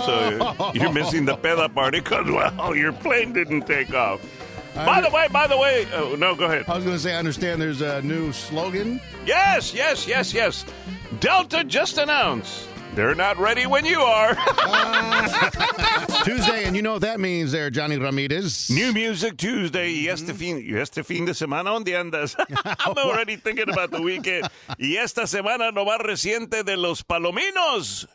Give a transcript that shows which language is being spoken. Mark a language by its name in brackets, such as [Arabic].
[English] So you're missing the peda party because, well, your plane didn't take off. By the way. Go ahead. I was going to say, I understand there's a new slogan. Yes, yes, yes, yes. Delta just announced they're not ready when you are. Tuesday, and you know what that means there, Jonny Ramirez. New music Tuesday. [Spanish] Y este fin de semana, ¿dónde andas? [English] I'm already thinking about the weekend. [Spanish] Y esta semana, lo más reciente de los palominos.